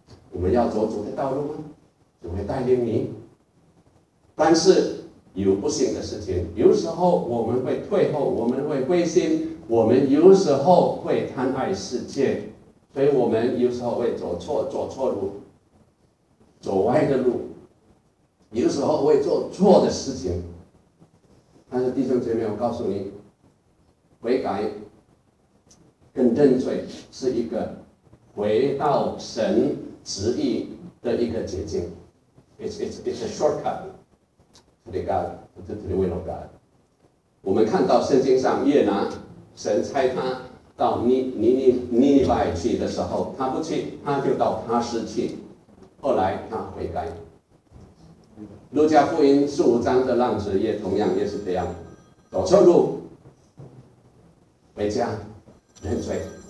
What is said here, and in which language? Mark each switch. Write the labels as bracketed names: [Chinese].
[Chinese] 我们要走主的道路吗？主会带领你。但是有不幸的事情，有时候我们会退后，我们会灰心，我们有时候会贪爱世界，所以我们有时候会走错路，走歪的路，有时候会做错的事情。但是弟兄姐妹，我告诉你，悔改跟认罪是一个回到神旨意的一个捷径。 [English] It's a shortcut to the God, to the will of God. [Chinese] 我们看到圣经上约拿神差他到尼尼外去的时候他不去，他就到他失去，后来他悔改。路加福音十五章的浪子也同样也是这样，走错路回家认罪。